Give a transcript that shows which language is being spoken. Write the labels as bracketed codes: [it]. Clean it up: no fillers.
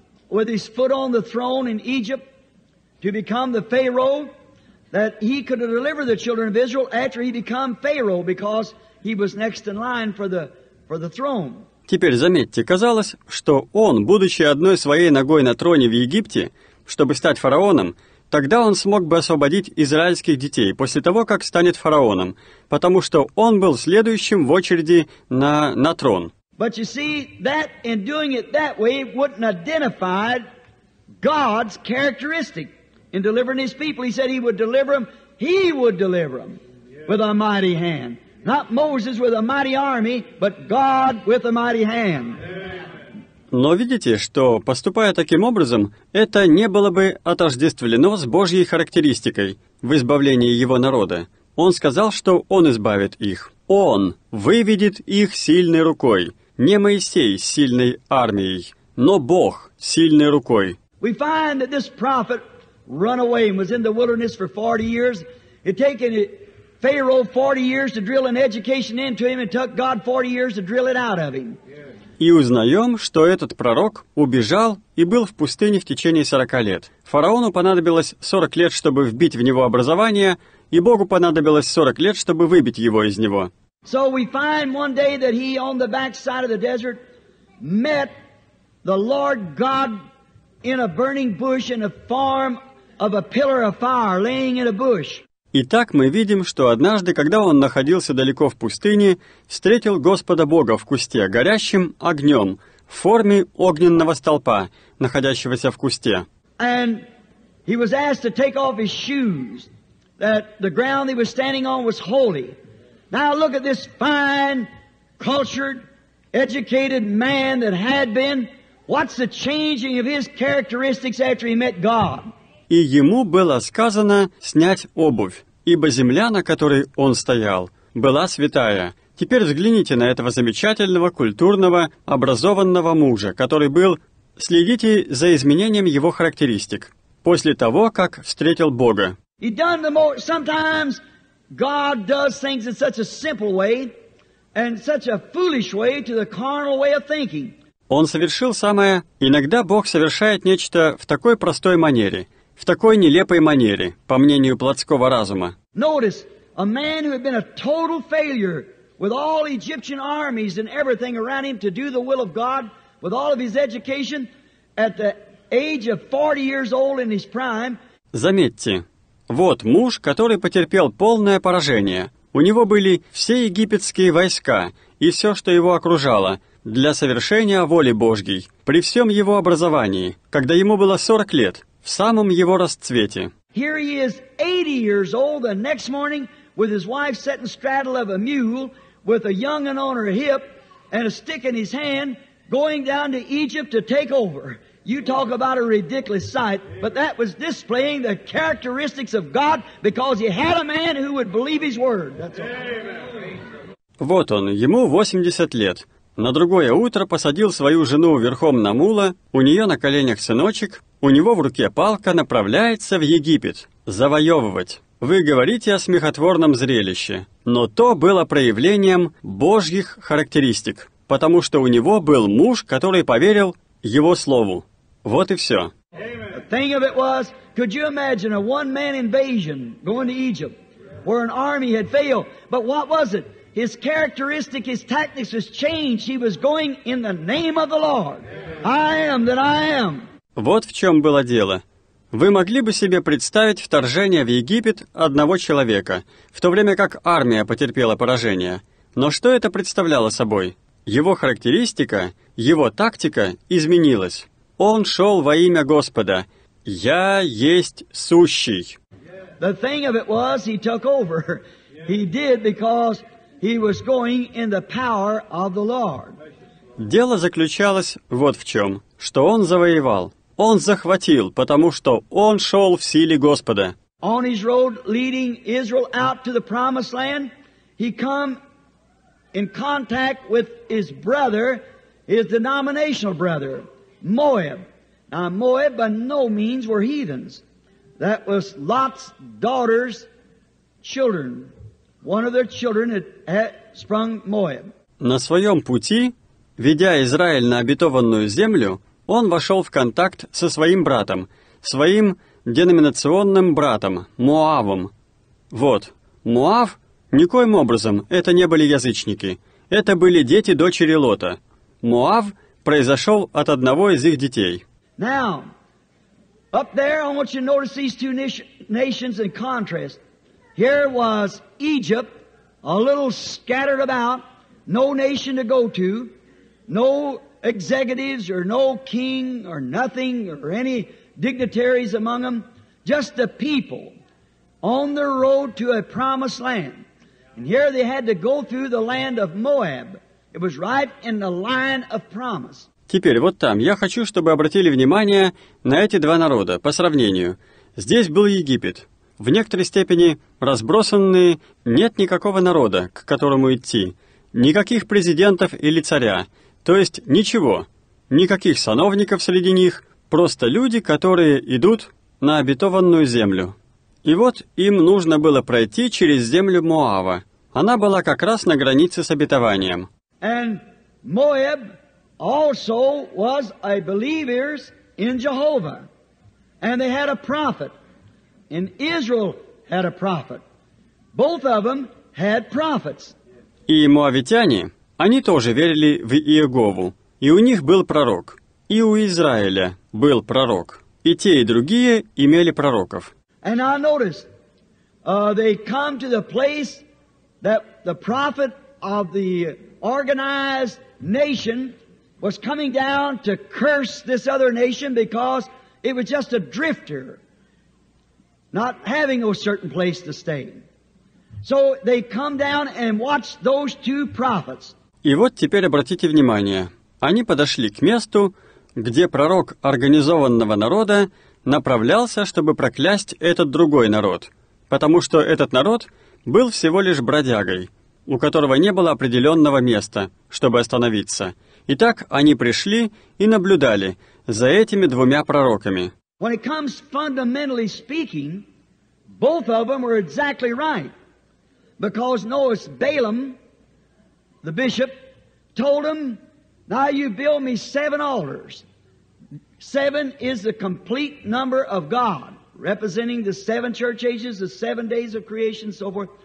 [en] With his foot on the throne in Egypt to become the Pharaoh, that he could deliver the children of Israel after he became Pharaoh, because he was next in line for the throne. [ru] Теперь заметьте, казалось, что он, будучи одной своей ногой на троне в Египте, чтобы стать фараоном, тогда он смог бы освободить израильских детей после того, как станет фараоном, потому что он был следующим в очереди на трон. [en] But you see, that in doing it that way wouldn't identify God's characteristic in delivering his people. He said he would deliver them, he would deliver them with a mighty hand. Not Moses with a mighty army, but God with a mighty hand. [ru] Но видите, что, поступая таким образом, это не было бы отождествлено с Божьей характеристикой в избавлении его народа. Он сказал, что он избавит их. Он выведет их сильной рукой. Не Моисей с сильной армией, но Бог с сильной рукой. [en] We find that this prophet run away and was in the wilderness for 40 years. It taken Pharaoh 40 years to drill an education into him, and took God 40 years to drill it out of him. [ru] И узнаем, что этот пророк убежал и был в пустыне в течение 40 лет. Фараону понадобилось 40 лет, чтобы вбить в него образование, и Богу понадобилось 40 лет, чтобы выбить его из него. [en] So we find one day that he, on the backside of the desert, met the Lord God in a burning bush in the form of a pillar of fire laying in a bush. [ru] Итак, мы видим, что однажды, когда он находился далеко в пустыне, встретил Господа Бога в кусте горящим огнем в форме огненного столпа, находящегося в кусте. [en] And he was asked to take off his shoes, that the ground he was standing on was holy. Now look at this fine, cultured, educated man that had been. What's the changing of his characteristics after he met God? [ru] И ему было сказано снять обувь, ибо земля, на которой он стоял, была святая. Теперь взгляните на этого замечательного, культурного, образованного мужа, который был... Следите за изменением его характеристик после того, как встретил Бога. [en] He done the most... Sometimes... God does things in such a simple way and such a foolish way to the carnal way of thinking. [ru] Он совершил самое, иногда Бог совершает нечто в такой простой манере, в такой нелепой манере, по мнению плотского разума. [en] Notice a man who had been a total failure with all Egyptian armies and everything around him to do the will of God with all of his education at the age of 40 years old in his prime. [ru] Заметьте, вот муж, который потерпел полное поражение. У него были все египетские войска и все, что его окружало, для совершения воли Божьей, при всем его образовании, когда ему было 40 лет, в самом его расцвете. [en] Here he is 80 years old the next morning with his wife sitting straddle of a mule with a young one on her hip and a stick in his hand going down to Egypt to take over. You talk about a ridiculous sight, but that was displaying the characteristics of God, because he had a man who would believe his word. That's all. [ru] Вот он, ему 80 лет. На другое утро посадил свою жену верхом на мула, у нее на коленях сыночек, у него в руке палка, направляется в Египет завоевывать. Вы говорите о смехотворном зрелище, но то было проявлением Божьих характеристик, потому что у него был муж, который поверил его слову. Вот и все. [en] The thing of it was, could you imagine a one-man invasion going to Egypt where an army had failed? But what was it? His characteristic, his tactics was changed. He was going in the name of the Lord. I am that I am. [ru] Вот в чем было дело. Вы могли бы себе представить вторжение в Египет одного человека, в то время как армия потерпела поражение. Но что это представляло собой? Его характеристика, его тактика изменилась. он шел во имя Господа. «Я есть сущий». [en] The thing of it was, he took over. He did because he was going in the power of the Lord. [ru] Дело заключалось вот в чем, что он завоевал. Он захватил, потому что он шел в силе Господа. [en] On his road leading Israel out to the promised land, he come in contact with his brother, his denominational brother, Moab. Now, Moab by no means were heathens. That was Lot's daughter's children. One of their children had sprung Moab. [ru] На своем пути, ведя Израиль на обетованную землю, он вошел в контакт со своим братом, своим деноминационным братом, Моавом. Вот, Моав никоим образом это не были язычники. Это были дети дочери Лота. Моав произошел от одного из их детей. [en] Now, up there, I want you to notice these two nations in contrast. Here was Egypt, a little scattered about, no nation to go to, no executives or no king or nothing or any dignitaries among them, just the people on their road to a promised land. And here they had to go through the land of Moab. It was right in the line of promise. [ru] Теперь вот там. Я хочу, чтобы обратили внимание на эти два народа по сравнению. Здесь был Египет. В некоторой степени разбросанные, нет никакого народа, к которому идти. Никаких президентов или царя. То есть ничего. Никаких сановников среди них. Просто люди, которые идут на обетованную землю. И вот им нужно было пройти через землю Моава. Она была как раз на границе с обетованием. [en] And Moab also was a believers in Jehovah, and they had a prophet, and Israel had a prophet. Both of them had prophets. [ru] И моавитяне, они тоже верили в Иегову, и у них был пророк, и у Израиля был пророк, и те, и другие имели пророков. [en] And I noticed, they come to the place that the prophet of the organized nation was coming down to curse this other nation because it was just a drifter, not having a certain place to stay. So they come down and watch those two prophets. [ru] И вот теперь обратите внимание. Они подошли к месту, где пророк организованного народа направлялся, чтобы проклясть этот другой народ, потому что этот народ был всего лишь бродягой, у которого не было определенного места, чтобы остановиться. Итак, они пришли и наблюдали за этими двумя пророками. [en] When it comes fundamentally speaking, both of them were exactly right. Because notice Balaam, the bishop, told him, now you build me seven altars. Seven is the complete number of God, representing the seven church ages, the seven days of creation, so forth.